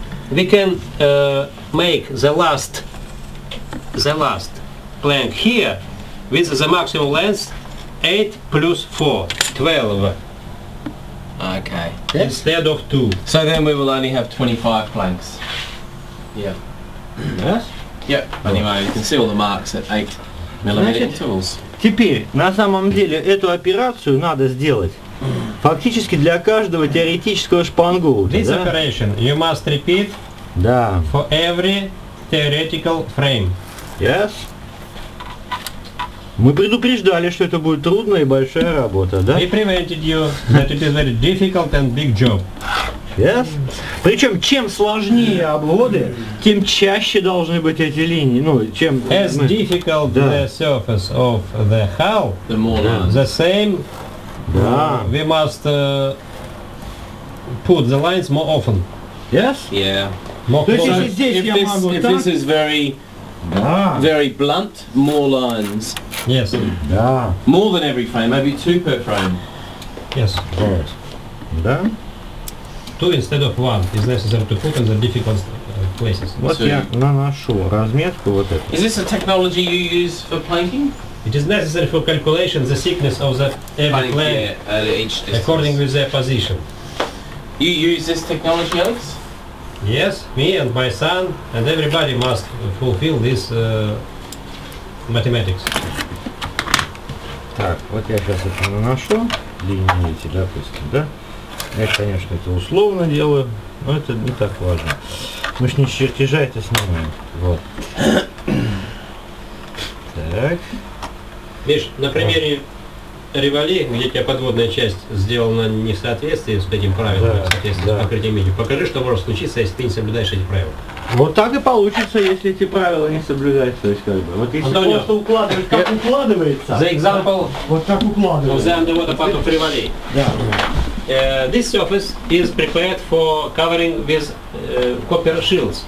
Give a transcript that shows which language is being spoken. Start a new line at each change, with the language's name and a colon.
English: We can make the last plank here with the maximum length 8 plus 4. 12. Okay. Instead of 2. So then we will only have 25 planks. Yeah. Yes? Yep. Anyway, you can see all the marks at 8 millimeter intervals.
Russian: Теперь, на самом деле, эту операцию надо сделать фактически для каждого теоретического шпангоута.
English: This
Russian: да?
English: operation you must repeat
Russian: да.
English: for every theoretical frame. Yes.
Russian: Мы предупреждали, что это будет трудная и большая работа, да?
English: We prevented you that it is very difficult and big job. Yes.
Russian: Причем, чем сложнее обводы, тем чаще должны быть эти линии. Ну, чем
English: as difficult the surface of the hull, the more the same, we must put the lines more often. Yes? Yeah. More closely.
Russian: То есть, если здесь я могу так...
English: If this is very, very blunt, more lines. Yes. More than every frame, maybe two per frame. Yes. Right.
Russian: Да?
English: Two instead of one is necessary to put in the difficult places.
Russian: Вот я наношу разметку вот эту.
English: Is this a technology you use for planking? It is necessary for calculation the thickness of the every plane according to their position. You use this technology, Alex? Yes, me and my son, and everybody must fulfill this mathematics.
Russian: Так, вот я сейчас это наношу, линии эти, допустим, да? Я, конечно, это условно делаю, но это не так важно. Мы ж не чертежа, это снимаем. Вот. Так. Миш, на примере револи, где у тебя подводная часть сделана не в соответствии с этим правилом, да, в соответствии, да, с покрытием меди, покажи, что может случиться, если ты не соблюдаешь эти правила. Вот так и получится, если эти правила не соблюдать, то есть как бы. Вот если Антонио, просто укладывать, как укладывается. За
English: example,
Russian: вот так укладывается.
English: The underwater part of револи.
Russian: Да.
English: This surface is prepared for covering with copper shields.